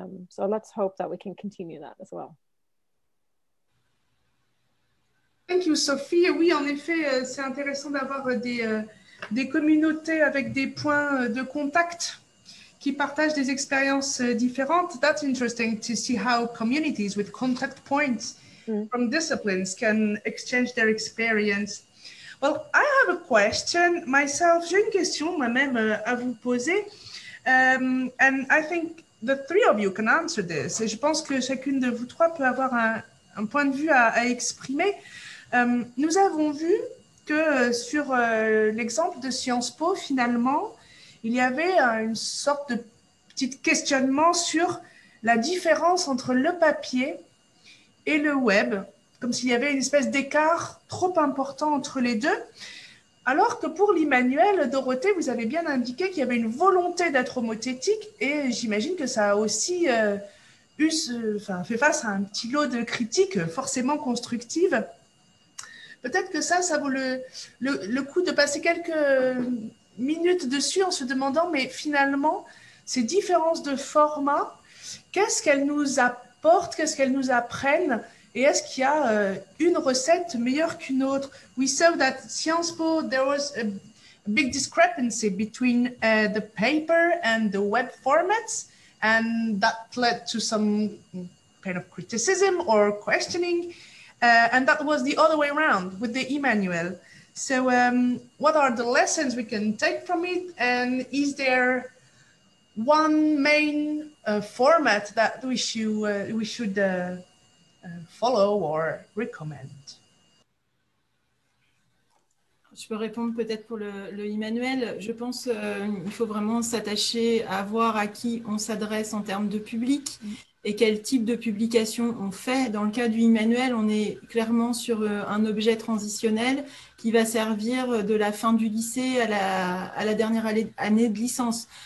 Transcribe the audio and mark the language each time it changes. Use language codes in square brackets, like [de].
[en] So let's hope that we can continue that as well. Thank you, Sophie. [fr] Oui, en effet, c'est intéressant d'avoir des communautés avec des points de contact qui partagent des expériences différentes. [en] That's interesting to see how communities with contact points from disciplines can exchange their experience. Well, I have a question myself. [fr] J'ai une question moi-même à vous poser. [en] And I think the three of you can answer this. [fr] Et je pense que chacune de vous trois peut avoir un point de vue à exprimer. Nous avons vu que sur l'exemple de Sciences Po, finalement, il y avait une sorte de petit questionnement sur la différence entre le papier et le web, comme s'il y avait une espèce d'écart trop important entre les deux. Alors que pour l'Emmanuel, Dorothée, vous avez bien indiqué qu'il y avait une volonté d'être homothétique, et j'imagine que ça a aussi fait face à un petit lot de critiques forcément constructives. Peut-être que ça vaut le coup de passer quelques minutes dessus en se demandant, mais finalement, ces différences de format, qu'est-ce qu'elles nous apportent, qu'est-ce qu'elles nous apprennent? Et est-ce qu'il y a une recette meilleure qu'une autre? [en] We saw that Sciences Po, there was a big discrepancy between the paper and the web formats, and that led to some kind of criticism or questioning, and that was the other way around with the Emmanuel. So what are the lessons we can take from it, and is there one main format that we should follow or recommend? [fr] Je peux répondre peut-être pour le Emmanuel. Je pense qu'il faut vraiment s'attacher à voir à qui on s'adresse en termes de public et quel type de publication on fait. Dans le cas du Emmanuel, on est clairement sur un objet transitionnel qui va servir de la fin du lycée à la dernière année de licence.